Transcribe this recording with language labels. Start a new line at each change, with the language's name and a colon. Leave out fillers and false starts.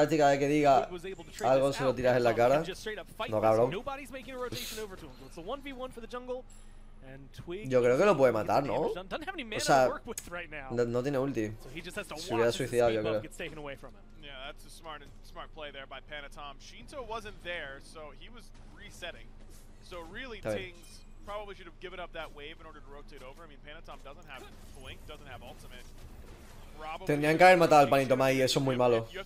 Spanish: hasta que la chica que diga algo se lo tiras en la cara. No, cabrón.
English: Nobody's making a rotation over to him. It's a 1v1 for the jungle, and Twig.
Spanish: Yo creo que lo puede matar, ¿no?
English: Doesn't have any mana to work with right now.
Spanish: No tiene ulti.
English: So he just has to
Spanish: se hubiera suicidado, yo creo.
English: Yeah, that's a smart play there by Panatom. Shinto wasn't there, so he was resetting. So really, Tings probably should have given up that wave in order to rotate over. I mean, Panatom doesn't have blink, doesn't have ultimate.
Spanish: Tendrían que haber matado al panito Mai, eso es muy malo.